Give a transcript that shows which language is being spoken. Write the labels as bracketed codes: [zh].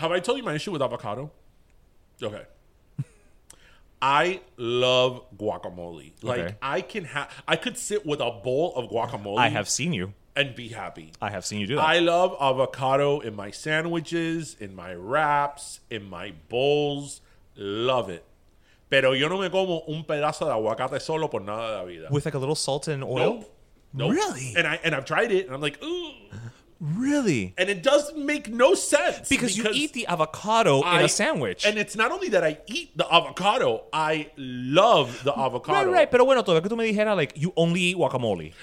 [en] Have I told you my issue with avocado? Okay. I love guacamole. Like, okay. I could sit with a bowl of guacamole. I have seen you. And be happy. I have seen you do that. I love avocado in my sandwiches, in my wraps, in my bowls. Love it. [es] Pero yo no me como un pedazo de aguacate solo por nada de la vida. [en] With like a little salt and oil? Nope. Nope. Really? And I've tried it and I'm like, ooh. Really? And it does make no sense. Because you eat the avocado in a sandwich. And it's not only that I eat the avocado, I love the avocado. [es] Right, right. Pero bueno, todo que tú me dijeras, like, you only eat guacamole.